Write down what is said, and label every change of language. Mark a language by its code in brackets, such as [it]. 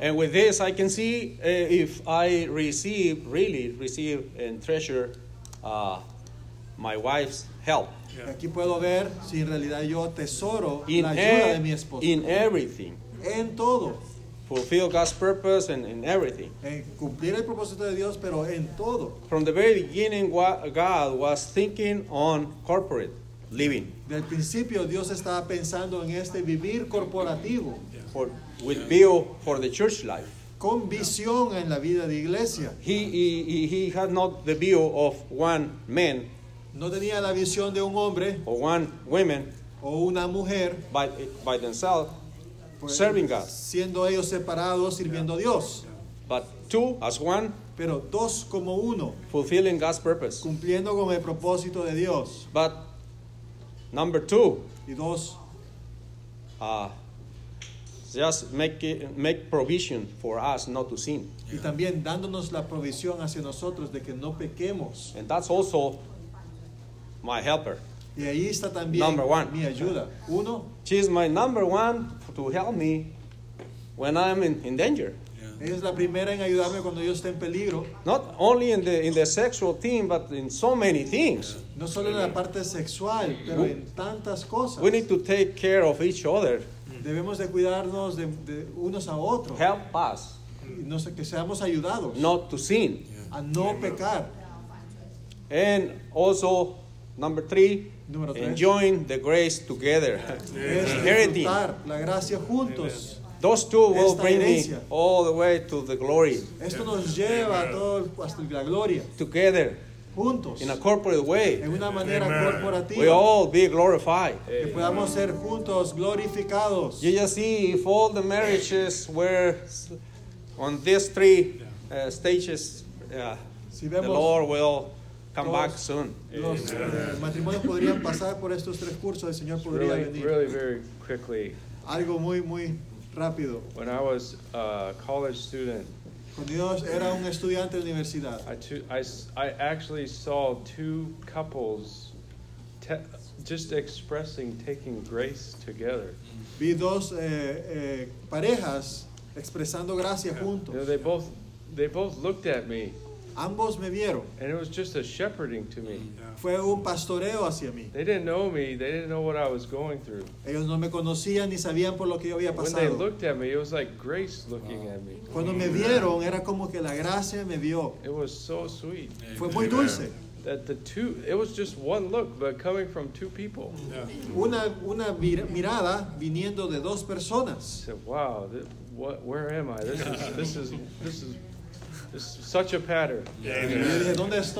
[en] And with this, I can see if I really receive and treasure my wife's help. [es] Aquí puedo ver si en realidad yo tesoro [en] in [es] la ayuda de mi esposa. [en] In everything. [es] En todo. [en] Fulfill God's purpose and in everything. [es] Cumplir el propósito de Dios, pero en todo. [en] From the very beginning, God was thinking on corporate living. [es] Del principio, Dios estaba pensando en este vivir corporativo. [en] With view for the church life. [es] Con visión en la vida de iglesia. [en] He had not the view of one man. [es] No tenía la visión de un hombre. [en] Or one woman. [es] o una mujer [en] by themselves pues, serving God, [es] siendo ellos separados sirviendo a Dios. [en] But two as one, [es] pero dos como uno, [en] fulfilling God's purpose, [es] cumpliendo con el propósito de Dios. [en] But number two, [es] y dos, [en] just make provision for us not to sin. [es] Y también dándonos la provisión hacia nosotros de que no pequemos. [en] And that's also my helper. [es] Y ahí está también [en] number one. [es] Mi ayuda. Uno. [en] She's my number one to help me when I'm in danger. [es] Ella es la primera en ayudarme cuando yo esté en peligro. [en] Not only in the sexual thing, but in so many things. [es] No solo en la parte sexual, pero en tantas cosas. [en] We need to take care of each other. [es] Debemos de cuidarnos de unos a otros. [en] Help us. [es] No sé, que seamos ayudados. [en] Not to sin. [es] Yeah. A no pecar. [en] And also, number three. [es] Número tres. [en] Enjoying the grace together. [es] Inheriting. Disfrutar la gracia juntos. Amen. [en] Those two will bring me all the way to the glory. [es] Esto nos lleva a todo hasta la gloria. [en] Together. [es] Juntos. [en] In a corporate way. [es] En una manera corporativa. [en] We all be glorified. [es] Que podamos ser juntos glorificados. [en] You just see if all the marriages were on these three stages, [es] si vemos, [en] the Lord will come back soon. [es] Los matrimonios podrían pasar por estos tres cursos, el Señor podría venir. [en] Really, very quickly. [es] Algo muy, muy rápido. [en] When I was a college student, [es] era un estudiante de universidad, [en] I actually saw two couples just expressing taking grace together. [es] Vi dos parejas expresando gracia juntos. [en] You know, they both looked at me. [es] Ambos me vieron. [en] And it was just a shepherding to me. [es] Fue un pastoreo hacia mí. [en] They didn't know me. They didn't know what I was going through. [es] Ellos no me conocían ni sabían por lo que yo había pasado. [en] When they looked at me, it was like grace looking at me. [es] Cuando me vieron, era como que la gracia me vio. [en] It was so sweet. [es] Fue muy dulce. [en] That the two, it was just one look, but coming from two people. [es] Yeah. Una mirada viniendo de dos personas. [en] I said, wow, where am I? This is such a pattern. Amen.